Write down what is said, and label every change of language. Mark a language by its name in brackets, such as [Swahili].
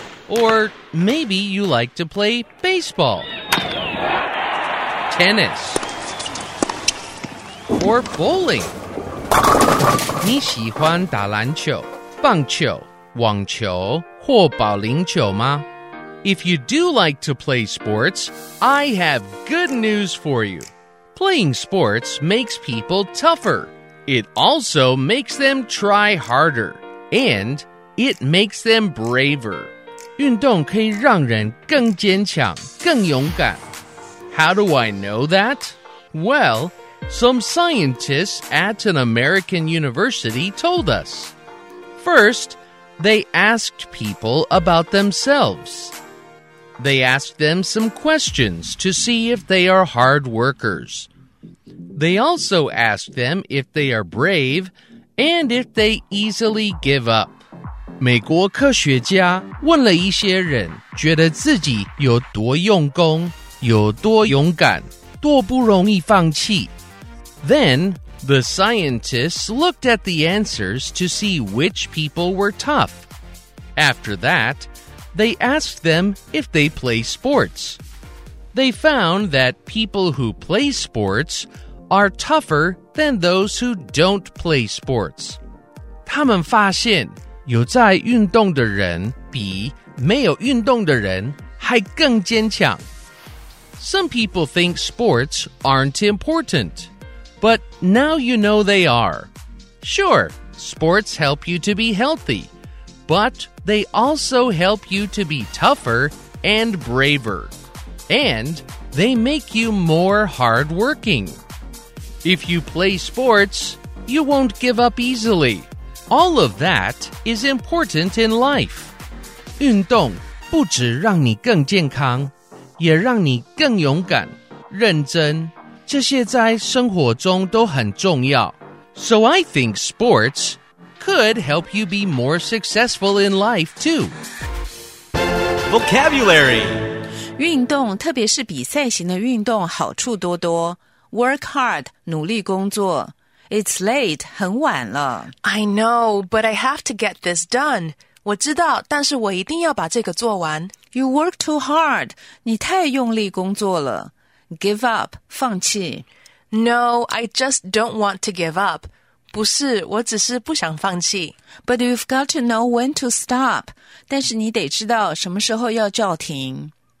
[English] Or maybe you like to play baseball? Tennis? Or bowling. [Chinese] 你喜欢打篮球、棒球、网球或保龄球吗? [English] If you do like to play sports, I have good news for you. Playing sports makes people tougher. It also makes them try harder. And it makes them braver. [Chinese] 运动可以让人更坚强、更勇敢。 [English] How do I know that? Well,Some scientists at an American university told us. First, they asked people about themselves. They asked them some questions to see if they are hard workers. They also asked them if they are brave and if they easily give up. [Chinese] 美国科学家问了一些人觉得自己有多用功、有多勇敢、多不容易放弃。 [English] Then, the scientists looked at the answers to see which people were tough. After that, they asked them if they play sports. They found that people who play sports are tougher than those who don't play sports. [Chinese] 他们发现有在运动的人比没有运动的人还更坚强。 [English] Some people think sports aren't important. But now you know they are. Sure, sports help you to be healthy, but they also help you to be tougher and braver. And they make you more hardworking. If you play sports, you won't give up easily. All of that is important in life. [Chinese] 运动不只让你更健康，也让你更勇敢、认真。这些在生活中都很重要。 [English] So I think sports could help you be more successful in life too. Vocabulary [Chinese] 运动特别是比赛型的运动好处多多。 [English] Work hard, [Chinese] 努力工作。 [English] It's late, [Chinese] 很晚了。 [English] I know, but I have to get this done. [Chinese] 我知道,但是我一定要把这个做完。 [English] You work too hard, [Chinese] 你太用力工作了。 Give up, 放弃。 [English] No, I just don't want to give up. [Chinese] 不是,我只是不想放弃。 [English] But you've got to know when to stop. [Chinese] 但是你得知道什么时候要叫停。